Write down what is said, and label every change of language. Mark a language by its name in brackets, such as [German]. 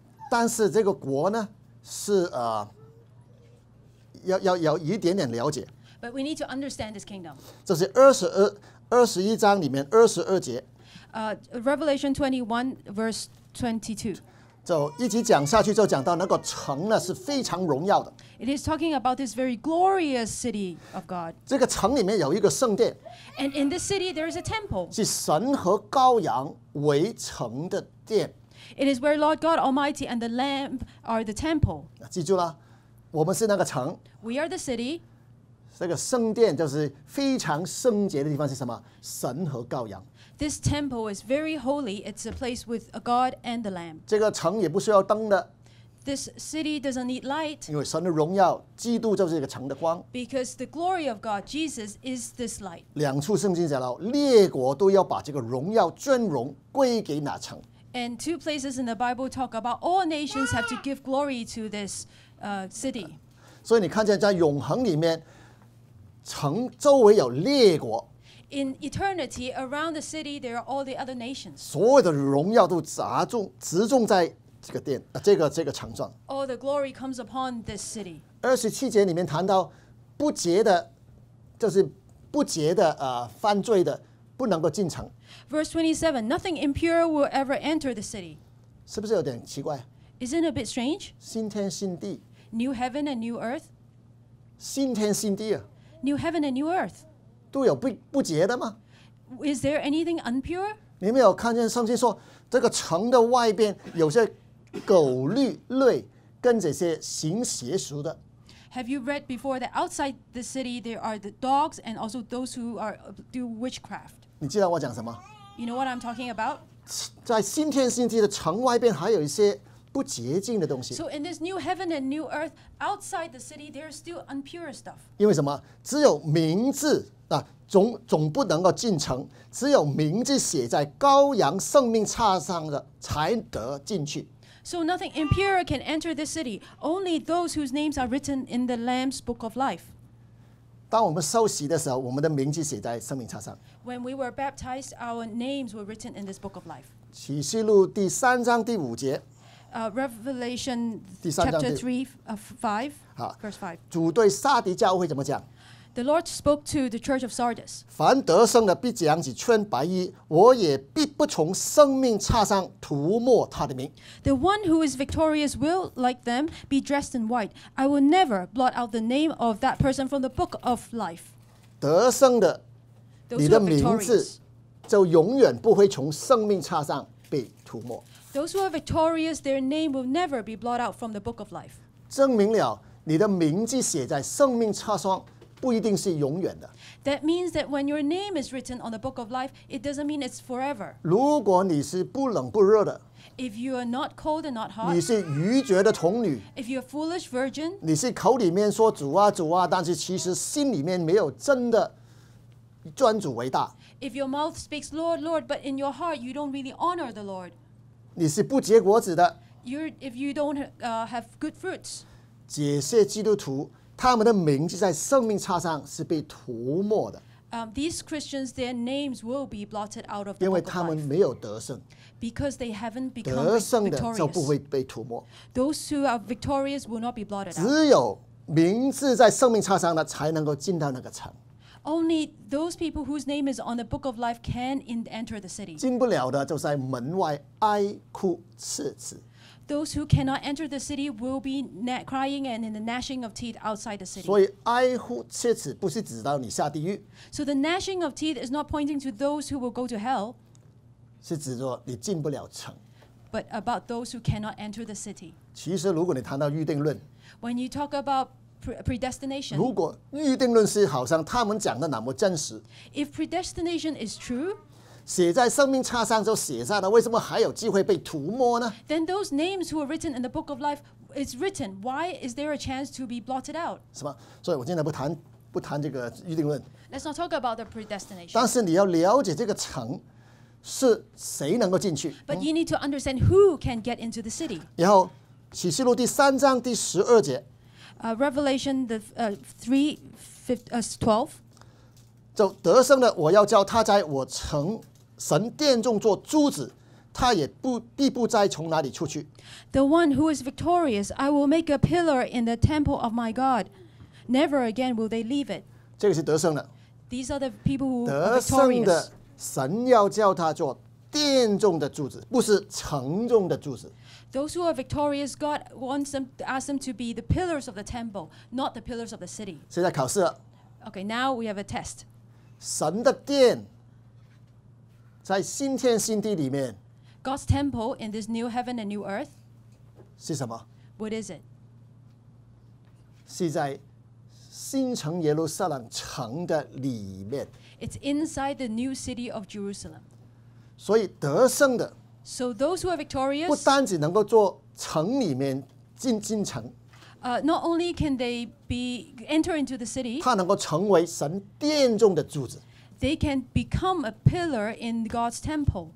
[Chinese] 但是这个国呢是要一点点了解。 [English] But we need to understand this kingdom. [Chinese] 这是二十一章里面二十二节。 [English] Revelation 21 verse 22. [Chinese] 就一直讲下去，就讲到那个城呢是非常荣耀的。 [English] It is talking about this very glorious city of God. [Chinese] 这个城里面有一个圣殿。 [English] And in this city there is a temple. [Chinese] 是神和羔羊为城的殿。 [English] It is where Lord God Almighty and the Lamb are the temple. [Chinese] 记住了，我们是那个城。 [English] We are the city. [Chinese] 这个圣殿就是非常圣洁的地方是什么？神和羔羊。 [English] This temple is very holy. It's a place with a God and the Lamb. [Chinese] 这个城也不需要灯的。 [English] This city doesn't need light. [Chinese] 因为神的荣耀，基督就是这个城的光。 [English] Because the glory of God, Jesus, is this light. [Chinese] 两处圣经讲到，列国都要把这个荣耀尊荣归给哪城 [English] ？And two places in the Bible talk about all nations have to give glory to this city. [Chinese] 所以你看见在永恒里面，城周围有列国。 [English] in eternity, around the city, there are all the other nations. [Chinese] 所有的荣耀都集中在这个殿，这个城上。 [English] All the glory comes upon this city. [Chinese] 二十七节里面谈到不洁的，就是不洁的，犯罪的不能够进城。 [English] Verse 27, nothing impure will ever enter the city. [Chinese] 是不是有点奇怪？ [English] Isn't it a bit strange? [Chinese] 新天新地。 [English] New heaven and new earth. [Chinese] 新天新地啊。 [English] New heaven and new earth. [Chinese] 都有不洁的吗？ [English] Is there anything unpure? [Chinese] 你没有看见圣经说这个城的外边有些狗绿类跟这些行邪术的？ [English] Have you read before that outside the city there are the dogs and also those who are do witchcraft? [Chinese] 你知道我讲什么？ [English] You know what I'm talking about? [Chinese] 在新天新地的城外边还有一些不洁净的东西。 [English] So in this new heaven and new earth outside the city there are still impure stuff. [Chinese] 因为什么？只有名字啊，总不能够进城，只有名字写在羔羊生命册上的才得进去。 [English] So nothing impure can enter the city, only those whose names are written in the Lamb's Book of Life. [Chinese] 当我们受洗的时候，我们的名字写在生命册上。 [English] When we were baptized, our names were written in this Book of Life. [Chinese] 启示录第三章第五节。 [English] Revelation chapter 3, verse 5. [Chinese] 主对撒迪教会怎么讲？ [English] The Lord spoke to the church of Sardis. [Chinese] 凡得胜的必将其穿白衣，我也必不从生命册上涂抹他的名。 [English] The one who is victorious will, like them, be dressed in white. I will never blot out the name of that person from the book of life. [Chinese] 得胜的，你的名字就永远不会从生命册上被涂抹。 [English] Those who are victorious, their name will never be blot out from the book of life. [Chinese] 证明了你的名字写在生命册上不一定是永远的。 [English] That means that when your name is written on the book of life, it doesn't mean it's forever. [Chinese] 如果你是不冷不热的， [English] if you are not cold and not hot, [Chinese] 你是愚拙的童女， [English] if you're a foolish virgin, [Chinese] 你是口里面说主啊主啊，但是其实心里面没有真的尊主为大， [English] if your mouth speaks Lord, Lord, but in your heart you don't really honor the Lord, [Chinese] 你是不结果子的， [English] if you don't have good fruits, [Chinese] 这些基督徒他们的名字在生命册上是被涂抹的。 [English] These Christians, their names will be blotted out of the book of life. [Chinese] 因为他们没有得胜。 [English] Because they haven't become victorious. [Chinese] 得胜的就不会被涂抹。 [English] Those who are victorious will not be blotted out. [Chinese] 只有名字在生命册上的才能够进到那个城。 [English] Only those people whose name is on the book of life can enter the city. [Chinese] 进不了的就在门外哀哭切齿。 [English] Those who cannot enter the city will be crying and in the gnashing of teeth outside the city. [Chinese] 所以哀哭切齿不是指到你下地狱。 [English] So the gnashing of teeth is not pointing to those who will go to hell. [Chinese] 是指说你进不了城。 [English] But about those who cannot enter the city. [Chinese] 其实如果你谈到预定论， [English] when you talk about predestination, [Chinese] 如果预定论是好像他们讲的那么真实， [English] if predestination is true, [Chinese] 写在生命册上就写下了，为什么还有机会被涂抹呢？ [English] Then those names who are written in the book of life is written. Why is there a chance to be blotted out? [Chinese] 什么？所以我今天不谈这个预定论。 [English] Let's not talk about the predestination. [Chinese] 但是你要了解这个城是谁能够进去。 [English] But you need to understand who can get into the city. [Chinese] 然后启示录第三章第十二节。 [English] Revelation the 3:12. [Chinese] 就得胜的，我要叫他在我城神殿中做柱子，他也必不再从哪里出去。 [English] The one who is victorious, I will make a pillar in the temple of my God. Never again will they leave it. [Chinese] 这个是得胜的。 [English] These are the people who are victorious. [Chinese] 得胜的神要叫他做殿中的柱子，不是城中的柱子。 [English] Those who are victorious, God wants them, ask them to be the pillars of the temple, not the pillars of the city. [Chinese] 现在考试了。 [English] Okay, now we have a test. [Chinese] 神的殿在新天新地里面。 [English] God's temple in this new heaven and new earth. [Chinese] 是什么？ [English] What is it? [Chinese] 是在新城耶路撒冷城的里面。 [English] It's inside the new city of Jerusalem. [Chinese] 所以得胜的。 [English] So those who are victorious. [Chinese] 不单只能够做城里面进城。 [English] Not only can they be enter into the city, [Chinese] 他能够成为神殿中的柱子。 [English] They can become a pillar in God's temple.